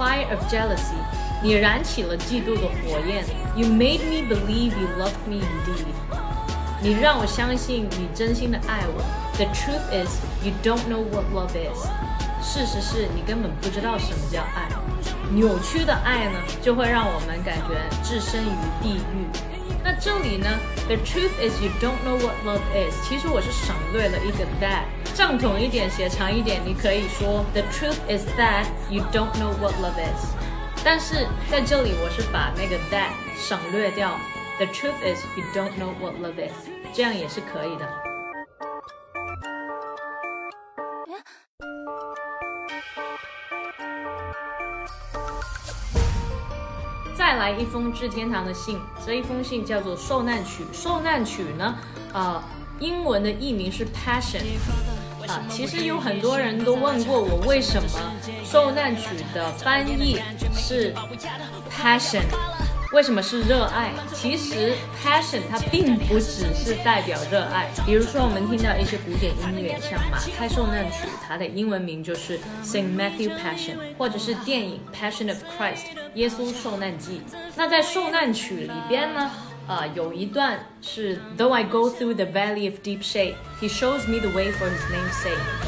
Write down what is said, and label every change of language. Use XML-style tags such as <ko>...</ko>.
<en>Of jealousy，</en> <zh>你燃起了嫉妒的火焰。</zh> <en>You made me believe you loved me indeed，</en> <zh>你让我相信你真心的爱我。</zh> <en>The truth is you don't know what love is，</en> <zh>事实是你根本不知道什么叫爱。扭曲的爱呢，就会让我们感觉置身于地狱。那这里呢 ，</zh> <en>The truth is you don't know what love is，</en> <zh>其实我是省略了一个 that。正统一点，写长一点，你可以说</zh> <en>The truth is that you don't know what love is，</en> <zh>但是在这里我是把那个 that 省略掉， The truth is you don't know what love is， 这样也是可以的。再来一封至天堂的信，这一封信叫做受难曲。受难曲呢，英文的译名是 Passion。其实有很多人都问过我，为什么《受难曲》的翻译是 Passion， 为什么是热爱？其实 Passion 它并不只是代表热爱。比如说我们听到一些古典音乐，像《马太受难曲》，它的英文名就是 Saint Matthew Passion， 或者是电影《Passion of Christ》（耶稣受难记）。那在《受难曲》里边呢？有一段是</zh> <en>Though I go through the valley of deep shade, He shows me the way for His name's sake.</en>